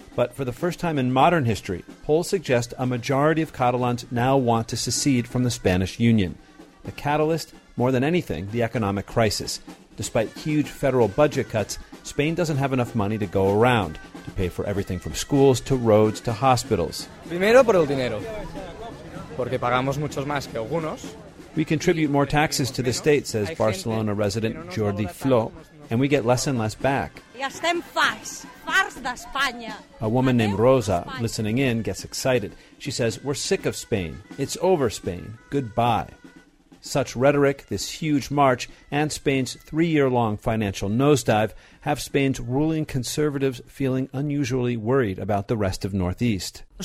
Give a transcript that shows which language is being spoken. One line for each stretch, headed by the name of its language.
English: But for the first time in modern history, polls suggest a majority of Catalans now want to secede from the Spanish Union. The catalyst, more than anything, the economic crisis. Despite huge federal budget cuts, Spain doesn't have enough money to go around. to pay for everything from schools to roads to hospitals.
Spanish: Primero por el dinero, porque pagamos muchos más que algunos.
English: We contribute more taxes to the state, says Barcelona resident Jordi Flo, and we get less and less back. A woman named Rosa, listening in, gets excited. She says, we're sick of Spain. It's over, Spain. Goodbye. Such rhetoric, this huge march, and Spain's three-year-long financial nosedive have Spain's ruling conservatives feeling unusually worried about the rest of Northeast.